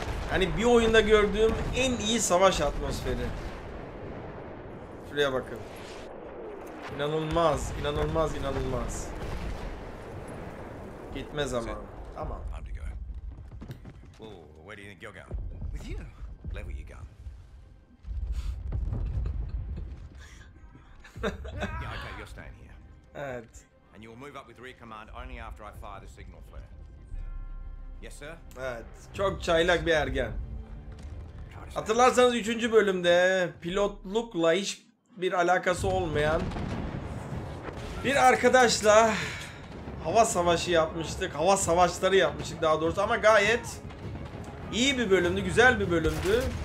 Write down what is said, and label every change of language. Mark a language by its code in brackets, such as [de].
[tr] Hani bir oyunda gördüğüm en iyi savaş atmosferi. Şuraya bakın. İnanılmaz, inanılmaz, inanılmaz. Gitme zaman. Tamam. [en] Time to go. Whoa, where do you think you're going? With you. Level your gun. Yeah, okay, you're staying here. [tr] Evet. [en] And you will move up with rear command only after I fire the signal flare. Yes, sir. [tr] Evet, çok çaylak bir ergen. Hatırlarsanız 3. bölümde pilotlukla hiç bir alakası olmayan bir arkadaşla hava savaşı yapmıştık. Hava savaşları yapmıştık daha doğrusu ama gayet iyi bir bölümdü, güzel bir bölümdü.